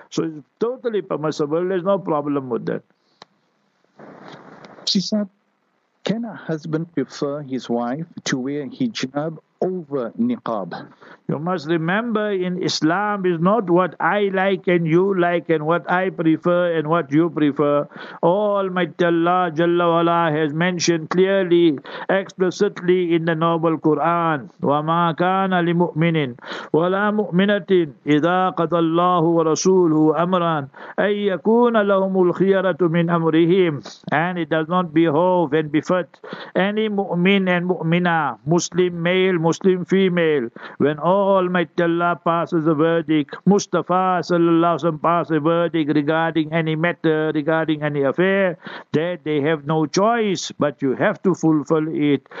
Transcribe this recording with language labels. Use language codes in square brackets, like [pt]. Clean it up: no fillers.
[en] So it's totally permissible. There's no problem with that. She said, can a husband prefer his wife to wear hijab over niqab? You must remember, in Islam is not what I like and you like and what I prefer and what you prefer. Almighty Allah Jalla Wala has mentioned clearly, explicitly in the noble Quran, [ar] وَمَا كَانَ لِمُؤْمِنٍ وَلَا مُؤْمِنَةٍ إِذَا قَضَى اللَّهُ وَرَسُولُهُ أَمْرًا أَن يَكُونَ لَهُمُ الْخِيَرَةُ مِنْ أَمْرِهِمْ. [en] And it does not behove and befit any mu'min and mu'mina, Muslim male, Muslim female, when Almighty Allah passes a verdict, Mustafa sallallahu alaihi wasallam passes a verdict regarding any matter, regarding any affair, that they have no choice, but you have to fulfill it.